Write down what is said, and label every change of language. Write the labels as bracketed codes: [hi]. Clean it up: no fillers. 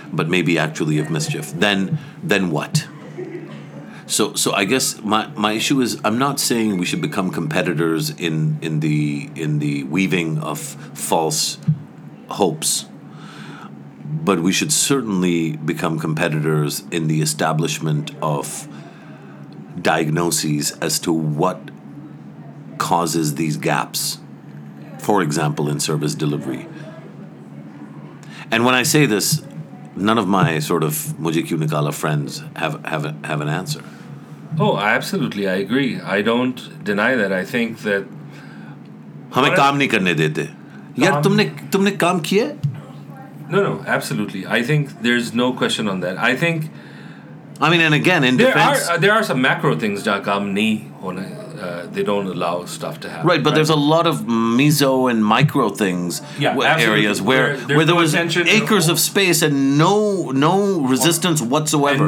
[en] but maybe actually of mischief, then what? So I guess my issue is, I'm not saying we should become competitors in the weaving of false hopes, but we should certainly become competitors in the establishment of diagnoses as to what causes these gaps, for example, in service delivery. And when I say this, none of my sort of Mujhe Kyun Nikala friends have an answer. Oh, absolutely, I agree. I don't deny that. I think that... [ur] ہمے کام نہیں کرنے دیتے. یار، تمنے کام کیا? [en] No, absolutely. I think there's no question on that. I think... I mean, and again, in there defense... There are some macro things, [ur] jaan kaam nahi hone, [en] they don't allow stuff to happen. Right, but right? There's a lot of meso and micro things, areas where there was acres of space and no resistance whatsoever.